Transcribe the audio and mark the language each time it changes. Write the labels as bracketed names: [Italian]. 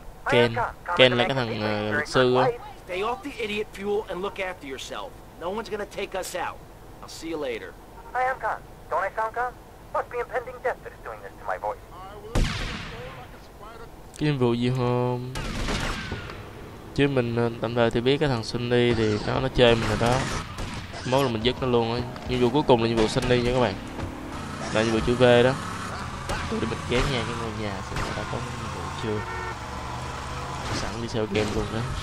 [Vietnamese] Ken, Ken là cái thằng luật sư á. [English] Stay off the idiot fuel and look after yourself. No one's gonna take us out. I'll see you later. I am Khan. Don't I sound Khan? Must be impending death that is doing this to my voice. [Vietnamese] Cái nhiệm vụ gì hôm? chứ mình tạm thời thì biết cái thằng Sunny thì nó chơi mình rồi đó. Mốt là mình dứt nó luôn á. Nhiệm vụ cuối cùng là nhiệm vụ Sunny nha các bạn. Là nhiệm vụ chữ V đó. Để mình kéo nhà cái ngôi nhà xem đã có nhiệm vụ chưa. Sẵn đi sell game luôn đó.